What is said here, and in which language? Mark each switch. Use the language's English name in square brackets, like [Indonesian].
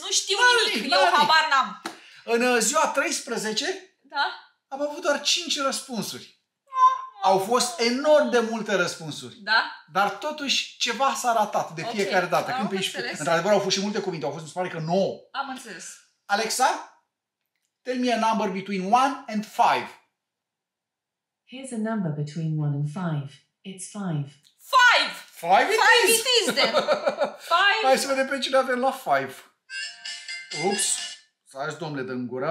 [Romanian] Nu știu nimic, eu habar n-am. În ziua 13, da? Am avut doar 5 răspunsuri. Au fost enorm de multe răspunsuri. Da? Dar totuși ceva s-a ratat de fiecare dată. Când într-adevăr au fost și multe cuvinte. Au fost, mi se pare că 9. Am înțeles. [English] Alexa, tell me a number between 1 and 5. Here's a number between 1 and 5. It's 5. 5 it is. 5. [Romanian] Hai să vedem pe cine avem la 5. Ups. Să ajungi, domnule, de-n gură.